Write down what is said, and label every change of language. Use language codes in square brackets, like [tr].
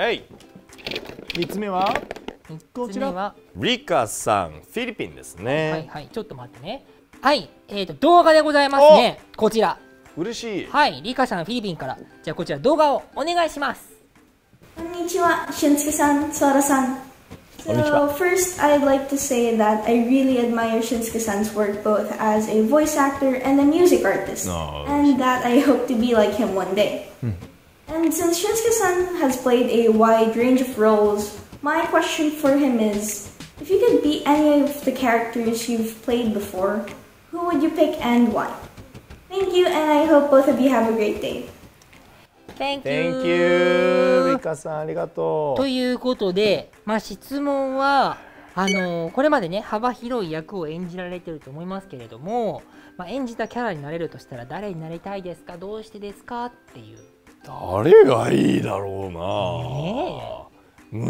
[ja] はい、3つ目はこちら、リカさん、フィリピンですね。はいはい、ちょっと待ってね。はい、動画でございますね、こちら。嬉しい。はい、リカさん、フィリピンから。じゃあこちら動画をお願いします。こんにちは、俊介さん、つわらさん。 [en] So first, I'd like to say that I really admire 俊介さん's work both as a voice actor and a music artist. And that I hope to be like him one day. And since 俊介さん has played a wide range of roles, my question for him is, if you could be any of the characters you've played before, who would you pick and why? Thank you, and I hope both of you have a great day. Thank you. Thank you. [ja] リカさん、ありがとう。ということで、まあ、質問はこれまでね、幅広い役を演じられてると思いますけれども、まあ、演じたキャラになれるとしたら誰になりたいですか、どうしてですかっていう。誰がいいだろうな、